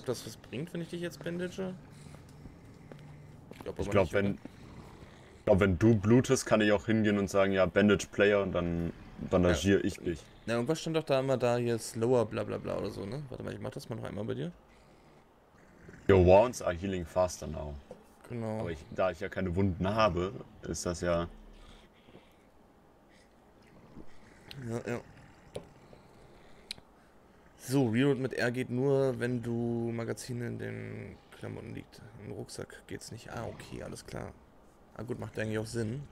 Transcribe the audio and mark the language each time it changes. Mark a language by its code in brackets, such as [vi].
[de] ob das was bringt, wenn ich dich jetzt bandage. Ich glaube aber Ich glaube, nicht, oder? wenn du blutest, kann ich auch hingehen und sagen, ja, Bandage Player und dann bandagiere ich dich. Ja, irgendwas stand doch da immer da, hier slower, bla bla bla oder so, ne? Warte mal, ich mach das mal noch einmal bei dir. [en] Your wounds are healing faster now. [de] Aber Genau. da ich ja keine Wunden habe, ist das ja. Ja. So, Reload mit R geht nur, wenn du Magazine in den Klamotten liegt. Im Rucksack geht's nicht. Okay, alles klar. Ah, gut, macht eigentlich auch Sinn.